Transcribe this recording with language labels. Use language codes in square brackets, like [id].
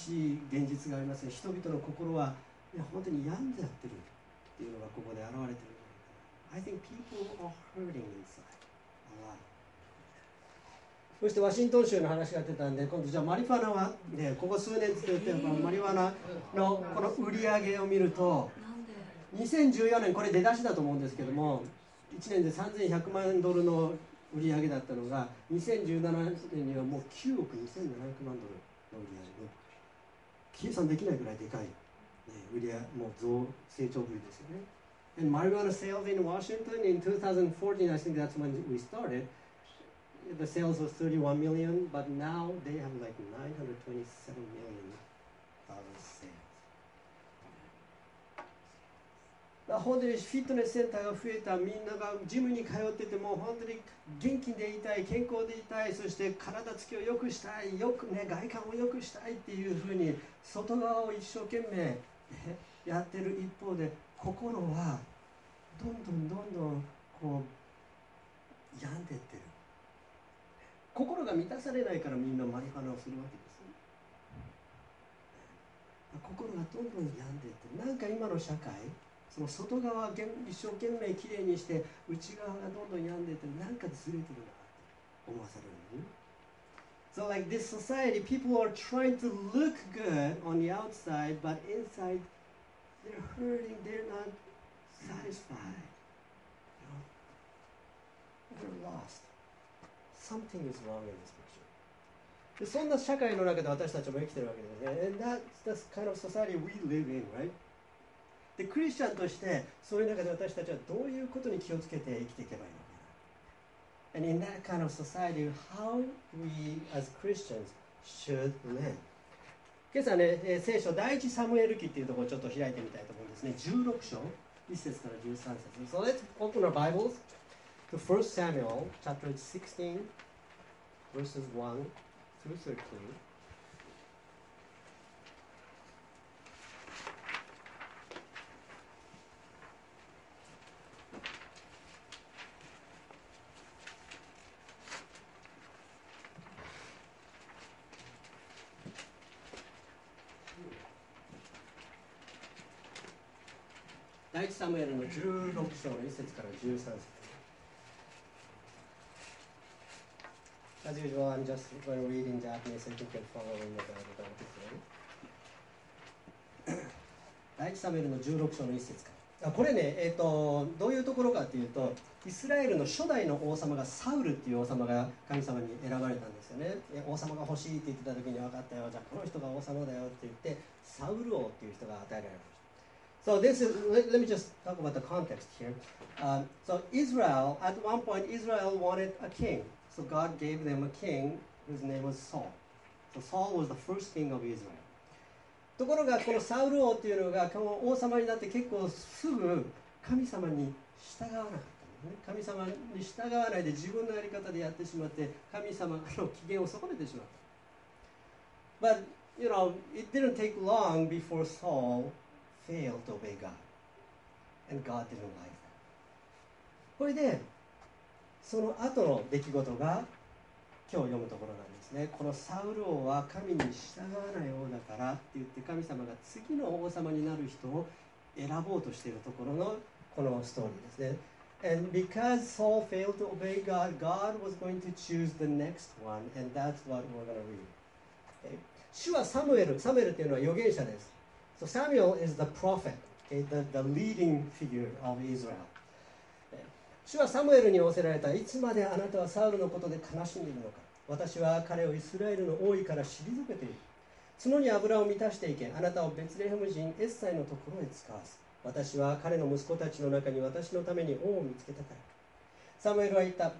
[ja] 悲しい現実がありますね。人々の心は本当に病んじゃってるっていうのがここで現れてる。 [en] I think people are hurting inside a lot. [ja] そしてワシントン州の話が出たんで、今度じゃあマリファナは、ね、ここ数年ずっと言ってるマリファナのこの売り上げを見ると。 2014年これ出だしだと思うんですけども1年で3100万円ドルの売り上げだったのが2017年にはもう9億2700万ドルの売り上げの計算できないぐらいでかい、ね、売り上げもう増成長ぶりですよね。 [en] And marijuana sales in Washington in 2014 I think that's when we started the sales was 31 million but now they have like 927 million dollars sales. [ja] 本当にフィットネスセンターが増えた、みんながジムに通ってても本当に元気でいたい、健康でいたい、そして体つきを良くしたい、よくね、外観を良くしたいっていうふうに外側を一生懸命、ね、やってる一方で心はどんどんどんどんこう病んでってる。心が満たされないからみんなマリファナをするわけです。心がどんどん病んでいって、なんか今の社会、その外側を一生懸命きれいにして、内側がどんどん病んでいって、なんかずれてるなって思わされるのに。 [en] So like this society, people are trying to look good on the outside, but inside they're hurting, they're not satisfied. You know? They're lost. Something is wrong in this picture. [ja] そんな社会の中で私たちも生きてるわけですね。 [en] And that's the kind of society we live in, right? [ja] で、クリスチャンとして、そういう中で私たちはどういうことに気をつけて生きていけばいいのかな。 [en] And in that kind of society, how we as Christians should live? [ja] 今朝ね、聖書第一サムエル記っていうところをちょっと開いてみたいと思うんですね。 16章、1節から13節。 [en] So let's open our Bibles to 1 Samuel, chapter 16, verses 1. [ja] 第一サムエルの16章1節から13節。 [en] As usual, I'm just going to read in Japanese, I think you can follow in the Bible that I'm saying. [ja] 第一サムエルの16章の1節から、これね、どういうところかというと、イスラエルの初代の王様がサウルっていう王様が神様に選ばれたんですよね。王様が欲しいって言ってた時に分かったよ、じゃあこの人が王様だよって言ってサウル王っていう人が与えられました。 [en] So this is, let me just talk about the context here. So Israel, at one point Israel wanted a king. So God gave them a king whose name was Saul. So Saul was the first king of Israel. [ja] ところがこのサウル王っていうのが王様になって結構すぐ神様に従わなかったね。神様に従わないで自分のやり方でやってしまって神様の機嫌を損ねてしまった。 [en] But, you know, it didn't take long before Saul failed to obey God. And God didn't like that. [ja] これでその後の出来事が今日読むところなんですね。このサウル王は神に従わないようだからって言って神様が次の王様になる人を選ぼうとしているところのこのストーリーですね。 [en] And because Saul failed to obey God, God was going to choose the next one and that's what we're going to read、okay? [ja] 主はサムエル、サムエルっていうのは預言者です。 [en] So Samuel is the prophet, okay, the leading figure of Israel. [ja] 主はサムエルに仰せられた。いつまであなたはサウルのことで悲しんでいるのか。私は彼をイスラエルの王位から退けている。角に油を満たしていけ。あなたをベツレヘム人エッサイのところへ使わす。私は彼の息子たちの中に私のために王を見つけたから。サムエルは言った。